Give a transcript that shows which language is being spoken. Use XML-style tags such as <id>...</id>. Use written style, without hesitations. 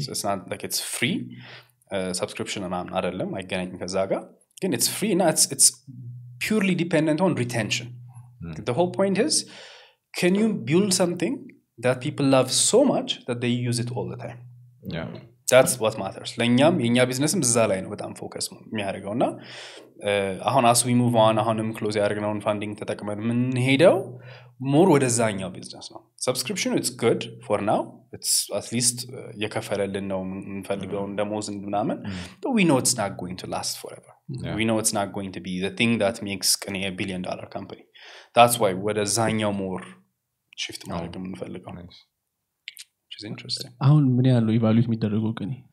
<en>So it's not like it's free subscription and I'm not adellem, I get anything kazaga. Again, it's free, no, it's purely dependent on retention. The whole point is, can you build something that people love so much that they use it all the time? Yeah. That's what matters.</en> <am>ለኛም የኛ ቢዝነስም እዛ ላይ ነው በጣም ፎከስ የሚያደርገውና አሁን</am> <en>as we move on</en> <am>አሁንም close ያደርገውን funding ተጠቅመን ምን ሄደው more ወደዛኛው ቢዝነስ ነው.</am> <en>Subscription it's good for now. It's at least</en> <am>የከፈለልን ነው እንፈልገውን ደሞዝ እንድናመን.</am> <en>But we know it's not going to last forever. Yeah. We know it's not going to be the thing that makes Qene a billion dollar company. That's why we're designing more shift market and felt on it. Which is interesting.</en> <am>አሁን ምን ያለው ኢቫሉዌት የሚደረገው ቀኔ?</am>